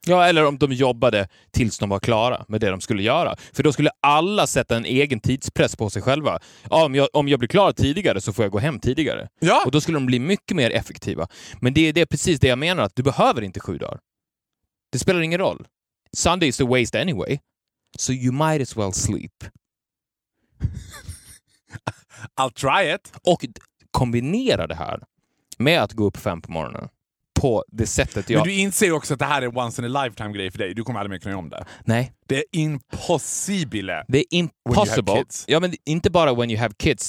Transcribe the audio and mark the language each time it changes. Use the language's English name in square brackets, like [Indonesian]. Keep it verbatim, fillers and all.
[Swedish] Ja, eller om de jobbade tills de var klara med det de skulle göra. För då skulle alla sätta en egen tidspress på sig själva. Ja, om, jag, om jag blir klar tidigare så får jag gå hem tidigare. Ja, Och då skulle de bli mycket mer effektiva. Men det, är- det är precis det jag menar, att du behöver inte sju dagar. Det spelar ingen roll. [English] Sunday is a waste anyway. So you might as well sleep. I'll try it. [Swedish] Och d- kombinera det här med att gå upp fem på morgonen. på det sättet jag... Men du inser också att det här är en [English] once in a lifetime [Swedish] grej för dig. Du kommer aldrig mer kunna göra om det. Nej. Det är impossible. Det är impossible. Ja, men inte bara [English] when you have kids.